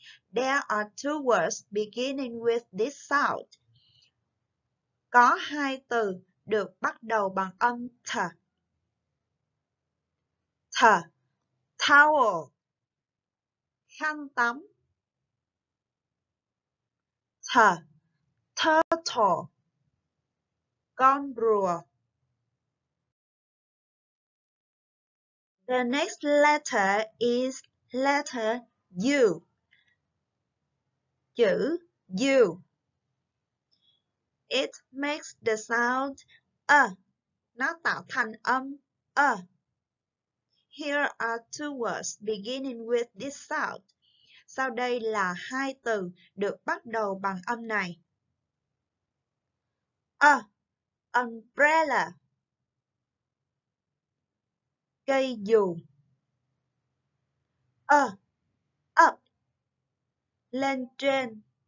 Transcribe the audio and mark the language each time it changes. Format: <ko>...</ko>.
<en>There are two words beginning with this sound.</en> <vi>Có hai từ được bắt đầu bằng âm th.</vi> <en>Th, towel,</en> <vi>khăn tắm.</vi> <en>Th, turtle,</en> <vi>con rùa.</vi> <en>The next letter is letter U.</en> <vi>Chữ U.</vi> <en>It makes the sound a.</en> <vi>Nó tạo thành âm a.</vi> <en>Here are two words beginning with this sound.</en> <vi>Sau đây là hai từ được bắt đầu bằng âm này.</vi> <en>A. Umbrella.</en> <vi>Cây dù.</vi> <en>A. Up.</en> <vi>Lên trên.</vi>